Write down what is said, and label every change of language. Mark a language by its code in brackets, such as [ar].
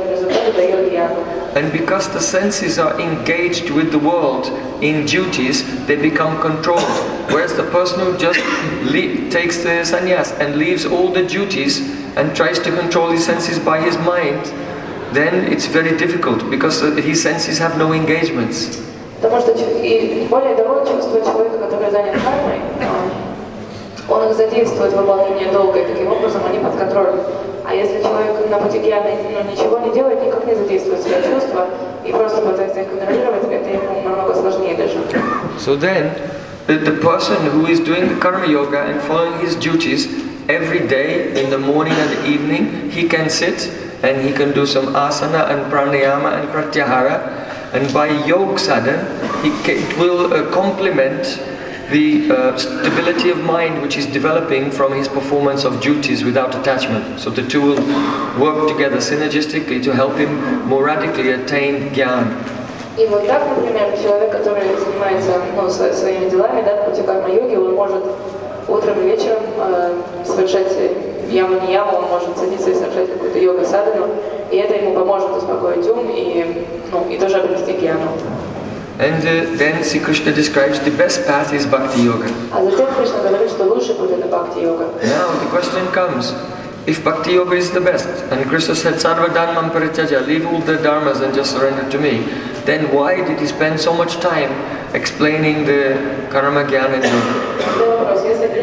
[en] And because the senses are engaged with the world in duties, they become controlled. Whereas the person who just takes the sannyas and leaves all the duties and tries to control his senses by his mind, then it's very difficult because his senses have no engagements. [ru] Потому что и более того, чувство человека, который занят кармой, он их задействует в выполнении долга, и таким образом они под контролем. А если человек на пути гьяны ничего не делает, никак не задействует свои чувства, и просто пытается их контролировать, это ему намного сложнее даже. [en] So then, the person who is doing the karma yoga and following his duties every day, in the morning and the evening, he can sit and he can do some asana and pranayama and pratyahara. And by yoga sadhana, it will complement the stability of mind which is developing from his performance of duties without attachment. So the two will work together synergistically to help him more radically attain jnana. [ru] И вот так, например, человек, который занимается своими делами, да, путем карма-йоги, он может утром и вечером совершать яма-нияму, он может садиться и совершать какую-то йога-садхану, и это ему поможет успокоить ум и тоже обрести гьяну. [en] And then Sri Krishna describes the best path is bhakti yoga. [ru] А затем Кришна говорит, что лучше будет это бхакти йога. [en] Now the question comes. If bhakti yoga is the best, and Krishna said, sarva dharmam parityaja, leave all the dharmas and just surrender to me, then why did he spend so much time explaining the karma, jnana and yoga?